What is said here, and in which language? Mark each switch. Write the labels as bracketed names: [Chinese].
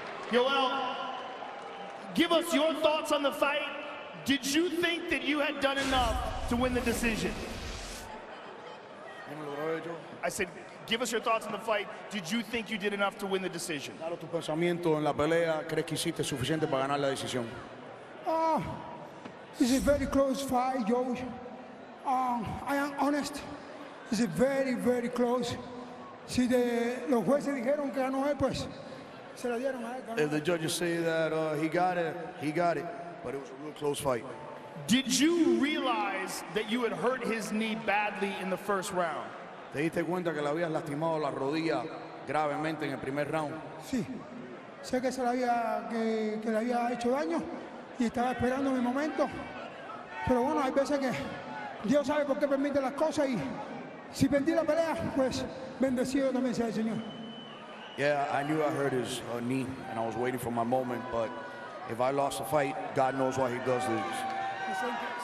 [English] Yoel, give us your thoughts on the fight. Did you think that you had done enough to win the decision? I said, give us your thoughts on the fight. Did you think you did enough to win the decision? [Spanish] Claro, tu pensamiento en la pelea. ¿Crees que hiciste suficiente para ganar la decisión? [English] It's a very close fight, Joe. I am honest. It's a very, very close. [Spanish] Si de los jueces dijeron que ganó él, pues se la dieron a él. [English] If the judges say that he got it, he got it. But it was a real close fight. Did you realize that you had hurt his knee badly in the first round? [Spanish] ¿Te diste cuenta que le habías lastimado la rodilla gravemente en el primer round? Sí. Sé que se la había que le había hecho daño y estaba esperando mi momento. Pero bueno, hay veces que Dios sabe por qué permite las cosas y si perdí la pelea, pues bendecido también sea el Señor. [English] Yeah, I knew I hurt his knee and I was waiting for my moment, but if I lost the fight, God knows why he does this.